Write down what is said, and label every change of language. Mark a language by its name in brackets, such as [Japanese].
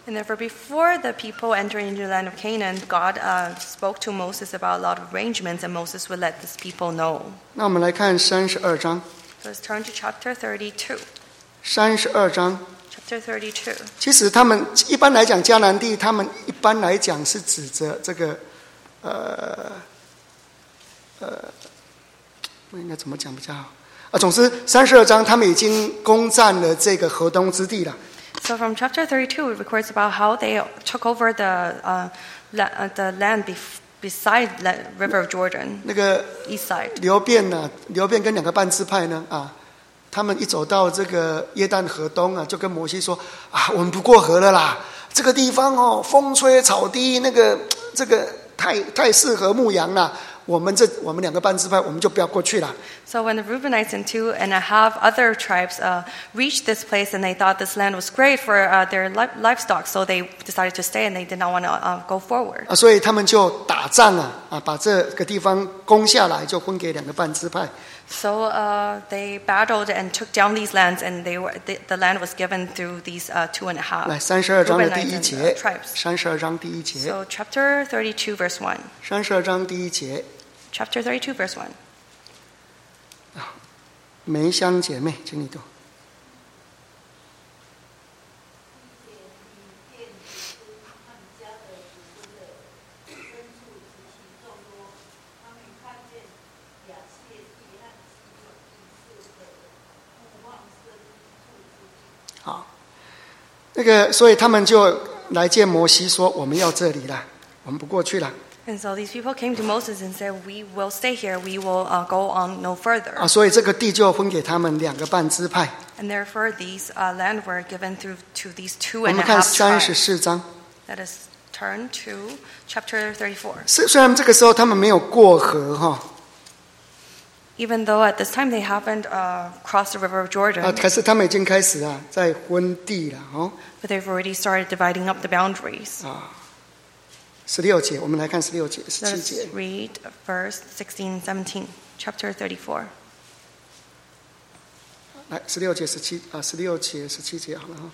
[English] And therefore, before the people entered into the land of Canaan, God spoke to Moses about a lot of arrangements, and Moses would let these people know. [Chinese] 那我们来看三十二章。 [English] Let's turn to chapter 32. [Chinese] 三十二章。 [English] Chapter 32. [Chinese] 其实他们一般来讲，迦南地他们一般来讲是指着这个，那应该怎么讲比较好？总之三十二章他们已经攻占了这个河东之地了。 [English] So from chapter 32 it records about how they took over the, the land beside the river of Jordan. [Chinese] 那个 [English] east side. [Chinese] 流便跟两个半支派呢他们一走到这个约旦河东就跟摩西说我们不过河了啦，这个地方风吹草低，那个这个太适合牧羊了，我们两个半支派我们就不要过去了。 [English] So when the Reubenites and two and a half other tribes reached this place and they thought this land was great for their livestock, so they decided to stay and they did not want to go forward. [Chinese] 所以他们就打仗了把这个地方攻下来，就分给两个半支派。 [English] So they battled and took down these lands and they were, the land was given through these two and a half. [Chinese] 来三十二章的第一节。 [English] Tribes. [Chinese] 三十二章第一节。 [English] So chapter 32 verse 1. [Chinese] 三十二章第一节。 [English] Chapter 32 verse 1. [Chinese] 梅香姐妹，请你读。好，那个，所以他们就来见摩西说：“我们要这里了，我们不过去了。” [English] And so these people came to Moses and said, "We will stay here. We will go on no further." [Chinese] 所以这个地就分给他们两个半支派。 [English] And therefore, these land were given through to these two and a half tribes. [Chinese] 我们看三十四章。 [English] Let us turn to chapter 34. [Chinese] 虽然这个时候他们没有过河哈。 [English] Even though at this time they haven't crossed the river of Jordan. [Chinese] 可是他们已经开始在分地了哦。 [English] But they've already started dividing up the boundaries. [Chinese] 十六节，我们来看十六节、十七节。 [English] Let's read verse 16, 17, chapter 34. [Chinese] 来，十六节、十七啊，十六节、十七节，好了哈。